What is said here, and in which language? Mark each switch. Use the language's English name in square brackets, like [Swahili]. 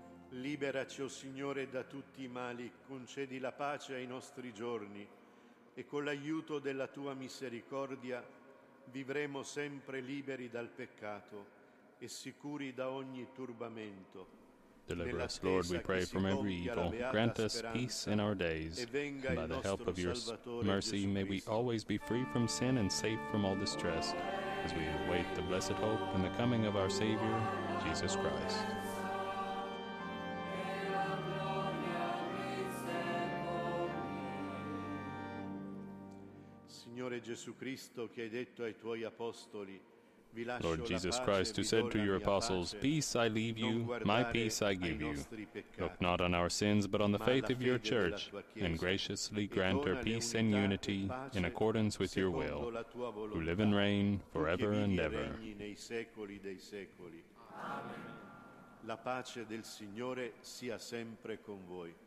[Italian] Liberaci, o Signore, da tutti i mali, concedi la pace ai nostri giorni e con l'aiuto della Tua misericordia vivremo sempre liberi dal peccato e sicuri da ogni turbamento. [English] Deliver us, Lord, we pray, from every evil. Grant us peace in our days. And by the help of your mercy, may we always be free from sin and safe from all distress as we await the blessed hope and the coming of our Savior, Jesus Christ. [Italian] Signore, Signore Gesù Cristo che hai detto ai tuoi apostoli, vi lascio [English] Lord Jesus Christ, who said to your apostles, peace I leave you, my peace I give you. Look not on our sins, but on the faith of your Church, and graciously grant her peace and unity in accordance with your will, who live and reign forever and ever. Amen.